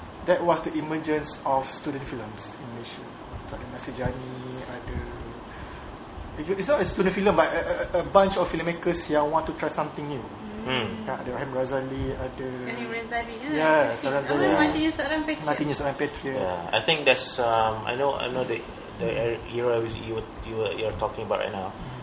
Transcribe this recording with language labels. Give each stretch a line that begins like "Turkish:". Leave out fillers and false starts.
English: That was the emergence of student films in Malaysia.
Malay: Ada Nasijani, ada,
English: it's not a student film, but a bunch of filmmakers
Malay: yang
English: want to try something new.
Malay: Ada Rahim Razali, ada Rahim Razali. Matinya seorang patriot.
English: I think that's I know the era you're talking about right now.